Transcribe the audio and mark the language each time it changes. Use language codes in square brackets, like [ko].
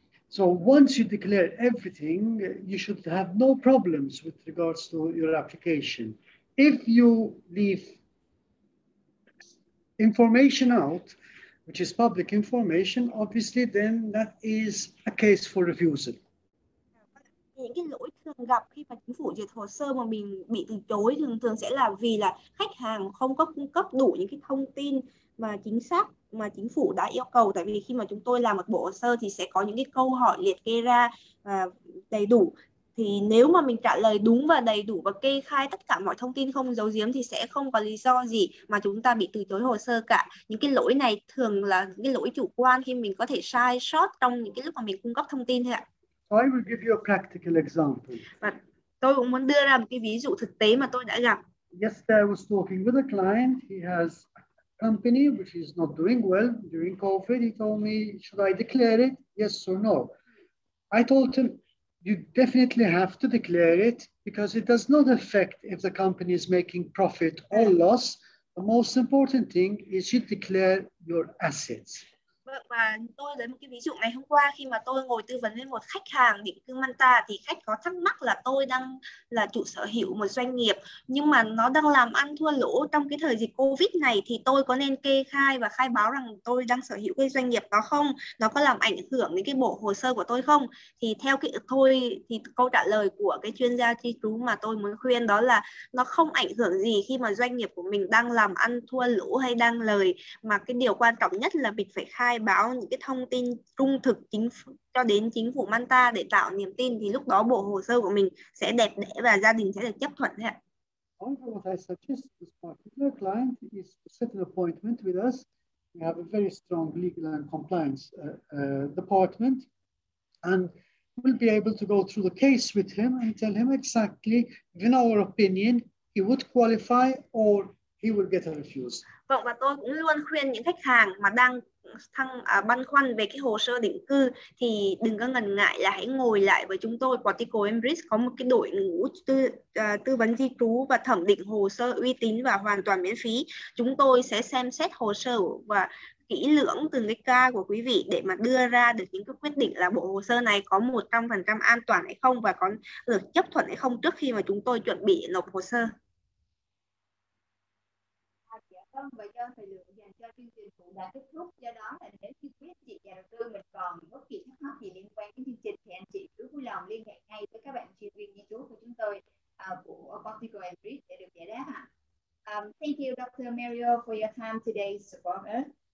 [en] So once you declare everything, you should have no problems with regards to your application. If you leave information out, which is public information, obviously then that is a case for refusal. [vi] Những cái lỗi thường gặp khi mà chính phủ duyệt hồ sơ mà mình bị từ chối thường thường sẽ là vì là khách hàng không có cung cấp đủ những cái thông tin mà chính xác mà chính phủ đã yêu cầu. Tại vì khi mà chúng tôi làm một bộ hồ sơ thì sẽ có những cái câu hỏi liệt kê ra đầy đủ. Thì nếu mà mình trả lời đúng và đầy đủ và kê khai tất cả mọi thông tin không giấu giếm thì sẽ không có lý do gì mà chúng ta bị từ chối hồ sơ cả. Những cái lỗi này thường là những cái lỗi chủ quan khi mình có thể sai sót trong những cái lúc mà mình cung cấp thông tin thôi ạ. [en] So I will give you a practical example. [vi] Và tôi cũng muốn đưa ra một cái ví dụ thực tế mà tôi đã gặp. [en] Yesterday I was talking with a client. He has a company which is not doing well during COVID. He told me, should I declare it? Yes or no? I told him, you definitely have to declare it because it does not affect if the company is making profit or loss. The most important thing is you declare your assets. [vi] Và tôi lấy một cái ví dụ ngày hôm qua khi mà tôi ngồi tư vấn với một khách hàng định cư Malta thì khách có thắc mắc là tôi đang là chủ sở hữu một doanh nghiệp nhưng mà nó đang làm ăn thua lỗ trong cái thời dịch COVID này thì tôi có nên kê khai và khai báo rằng tôi đang sở hữu cái doanh nghiệp đó không? Nó có làm ảnh hưởng đến cái bộ hồ sơ của tôi không? Thì theo cái tôi thì câu trả lời của cái chuyên gia chi trú mà tôi muốn khuyên đó là nó không ảnh hưởng gì khi mà doanh nghiệp của mình đang làm ăn thua lỗ hay đang lời, mà cái điều quan trọng nhất là mình phải khai báo những cái thông tin trung thực chính phủ, cho đến chính phủ Malta để tạo niềm tin, thì lúc đó bộ hồ sơ của mình sẽ đẹp đẽ và gia đình sẽ được chấp thuận đấy ạ. [en] What I suggest to this particular client is to set an appointment with us. We have a very strong legal and compliance department, and we'll be able to go through the case with him and tell him exactly, in our opinion, he would qualify or he will get a refusal. [vi] Vâng, và tôi cũng luôn khuyên những khách hàng mà đang băn khoăn về cái hồ sơ định cư thì đừng có ngần ngại là hãy ngồi lại với chúng tôi. Portico Bridge có một cái đội ngũ tư vấn di trú và thẩm định hồ sơ uy tín và hoàn toàn miễn phí. Chúng tôi sẽ xem xét hồ sơ và kỹ lưỡng từng cái ca của quý vị để mà đưa ra được những cái quyết định là bộ hồ sơ này có 100% an toàn hay không và có được chấp thuận hay không trước khi mà chúng tôi chuẩn bị nộp hồ sơ. Và do thời lượng dành cho chương trình cũng đã kết thúc, do đó là nếu như quý anh chị nhà đầu tư mình còn bất kỳ thắc mắc gì liên quan đến chương trình thì anh chị cứ vui lòng liên hệ ngay với các bạn chuyên viên di trú của chúng tôi của Portico Bridge để được giải đáp ạ. [en] Thank you Dr. Mario for your time today to support us.